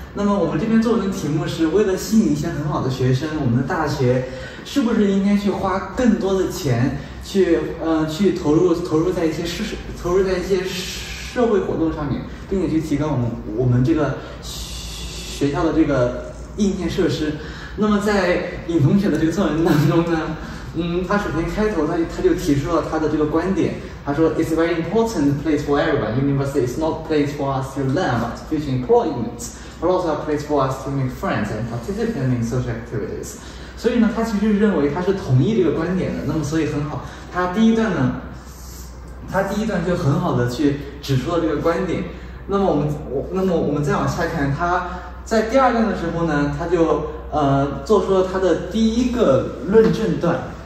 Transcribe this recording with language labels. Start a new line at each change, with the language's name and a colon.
Chinese: 那么我们这篇作文的题目是，为了吸引一些很好的学生，我们的大学是不是应该去花更多的钱去投入在一些社会活动上面，并且去提高我们这个学校的这个硬件设施。那么在尹同学的这个作文当中呢，他首先开头他就提出了他的这个观点，他说
English: It's a very important place for everyone. University is not a place for us to learn but future employment, but also a place for us to make friends and participate in social activities.
Chinese: 所以呢，他其实认为他是同意这个观点的，那么所以很好，他第一段就很好的去指出了这个观点。那么我们再往下看，他在第二段的时候呢，他就做出了他的第一个论证段。